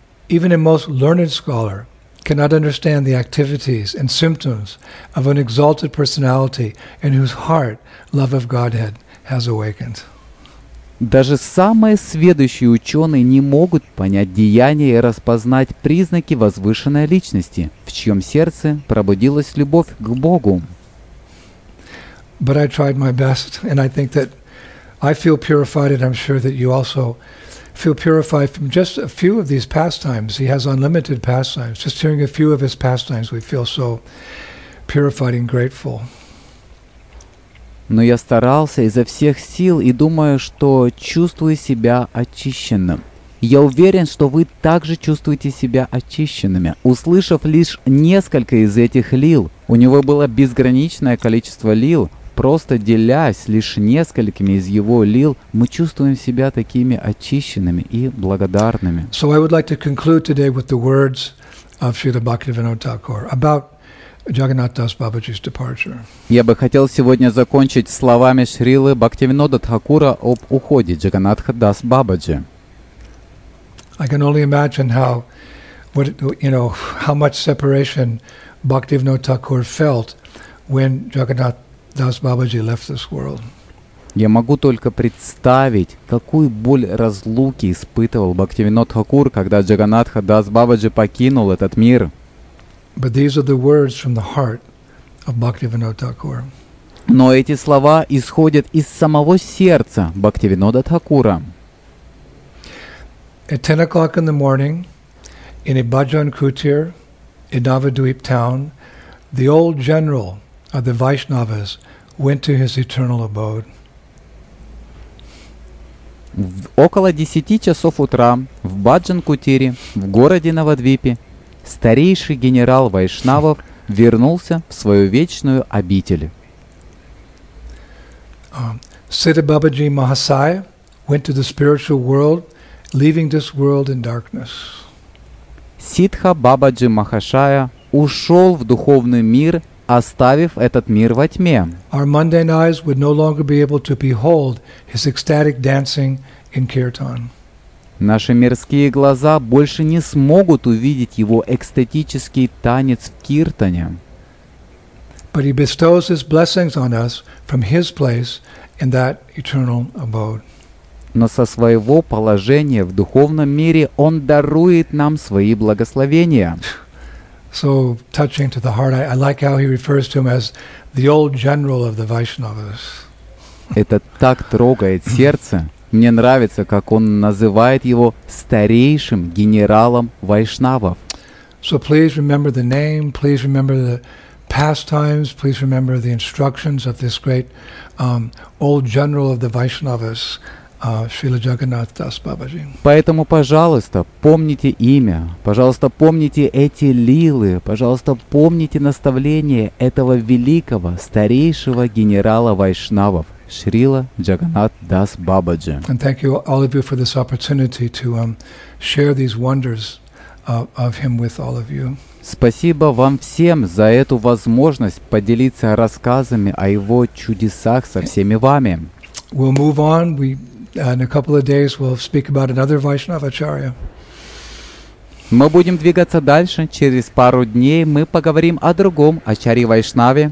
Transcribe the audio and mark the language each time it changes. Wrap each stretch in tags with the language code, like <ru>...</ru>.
<en>Even a most learned scholar cannot understand the activities and symptoms of an exalted personality in whose heart love of Godhead has awakened.</en> <ru>Даже самые сведущие ученые не могут понять деяния и распознать признаки возвышенной личности, в чьем сердце пробудилась любовь к Богу.</ru> <en>But I tried my best, and I think that I feel purified, and I'm sure that you also feel purified from just a few of these pastimes. He has unlimited pastimes. Just hearing a few of his pastimes, we feel so purified and grateful.</en> <ru>Но я старался изо всех сил и думаю, что чувствую себя очищенным. Я уверен, что вы также чувствуете себя очищенными. Услышав лишь несколько из этих лил, у него было безграничное количество лил, просто делясь лишь несколькими из его лил, мы чувствуем себя такими очищенными и благодарными.</ru> <en>So I would like to conclude today with the words of Srila Bhaktivinoda Thakur about Jagannath Das Babaji's departure.</en> <ru>Я бы хотел сегодня закончить словами Шрилы Бхактивинода Тхакура об уходе Джаганнатха Дас Бабаджи.</ru> <en>I can only imagine how, what it, you know, how much separation Bhaktivinoda Thakur felt when Jagannath Das Babaji left this world.</en> <ru>Я могу только представить, какую боль разлуки испытывал Бхактивинода Тхакур, когда Джаганнатха Дас Бабаджи покинул этот мир.</ru> <en>But these are the words from the heart of Bhaktivinoda Thakur.</en> <ru>Но эти слова исходят из самого сердца Бхактивинода Тхакура.</ru> <en>At 10 o'clock in the morning, in a bhajan kutir in Navadvip town, the old general of the Vaishnavas went to his eternal abode.</en> <ru>Около 10 часов утра в бхаджан кутире в городе Навадвипе старейший генерал Вайшнавов вернулся в свою вечную обитель.</ru> <en>Siddha Babaji Mahasai went to the spiritual world, leaving this world in darkness.</en> <ru>Сиддха Бабаджи Махашая ушел в духовный мир, оставив этот мир во тьме.</ru> <en>Our mundane eyes would no longer be able to behold his ecstatic dancing in Kirtan.</en> <ru>Наши мирские глаза больше не смогут увидеть его экстатический танец в киртане.</ru> <en>But he bestows his blessings on us from his place in that eternal abode.</en> <ru>Но со своего положения в духовном мире он дарует нам свои благословения.</ru> <en>So touching to the heart, I like how he refers to him as the old general of the Vaishnavas.</en> <ru>Это так трогает сердце. Мне нравится, как он называет его старейшим генералом вайшнавов.</ru> <en>So please remember the name, please remember the pastimes, please remember the instructions of this great old general of the Vaishnavas, Srila Jagannath Das Babaji.</en> <ru>Поэтому, пожалуйста, помните имя, пожалуйста, помните эти лилы, пожалуйста, помните наставление этого великого старейшего генерала вайшнавов. Шрила Джаганнат Дас Бабаджи.</ru> <en>And thank you all of you for this opportunity to share these wonders of him with all of you.</en> <ru>Спасибо вам всем за эту возможность поделиться рассказами о его чудесах со всеми вами.</ru> <en>We'll move on. In a couple of days we'll speak about another Vaishnava Acharya.</en> <ru>Мы будем двигаться дальше. Через пару дней мы поговорим о другом Ачарье Вайшнаве.</ru>